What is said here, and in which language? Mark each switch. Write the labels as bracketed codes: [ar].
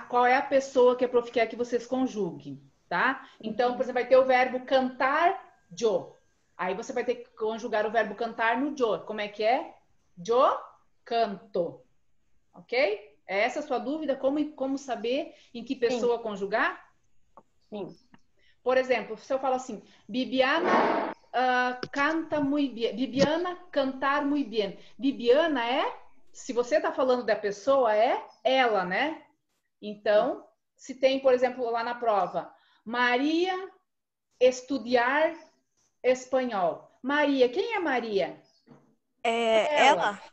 [pt] Qual é a pessoa que a prof quer que vocês conjuguem? Tá? Então, por exemplo, vai ter o verbo cantar, jo. Aí você vai ter que conjugar o verbo cantar no jo. Como é que é? Jo, canto. Ok? É essa a sua dúvida? Como saber em que pessoa conjugar? Sim. Por exemplo, se eu falo assim, [es] Bibiana canta muy bien. Bibiana cantar muy bien. [pt] Bibiana é, se você tá falando da pessoa, é ela, né? Então, se tem, por exemplo, lá na prova... Maria estudar espanhol. Maria, quem é Maria? É ela.